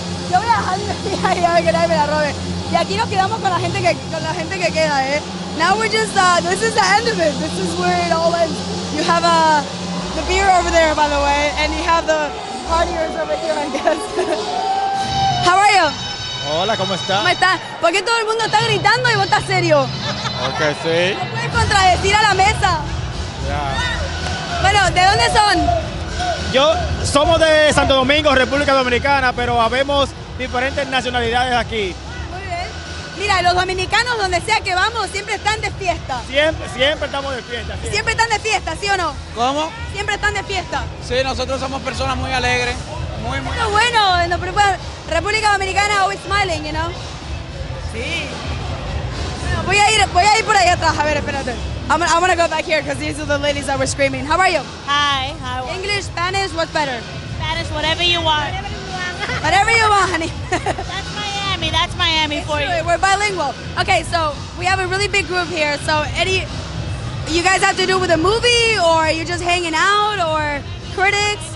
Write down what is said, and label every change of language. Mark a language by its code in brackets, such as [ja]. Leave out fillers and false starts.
[es] Yo voy a dejar de que nadie me la robe. Y aquí nos quedamos con la gente que queda, eh. [en] Now we're just, this is the end of it. This is where it all ends. You have the beer over there, by the way, and you have the partiers over here, I guess. How are you? [es] Hola, ¿cómo está? ¿Cómo está? ¿Por qué todo el mundo está gritando y vos estás serio? Ok, sí. ¿Me puedes contradecir a la mesa? Ya. Yeah. Bueno, ¿de dónde son? Somos de Santo Domingo, República Dominicana, pero habemos diferentes nacionalidades aquí. Muy bien. Mira, los dominicanos, donde sea que vamos, siempre están de fiesta. Siempre estamos de fiesta. Siempre están de fiesta, ¿sí o no? ¿Cómo? Siempre están de fiesta. Sí, nosotros somos personas muy alegres. Muy alegre. Bueno, no, pero bueno. República Dominicana [en] always smiling, you know? [es] Sí. Bueno, voy a ir por ahí atrás. A ver, espérate. [en] I'm gonna go back here because these are the ladies that were screaming. How are you? Hi. English, Spanish, what's better? Spanish, whatever you want. Whatever you want, honey. That's Miami it's for true. You. We're bilingual. Okay, so we have a really big group here. So Eddie, you guys have to do with a movie or you're just hanging out or critics?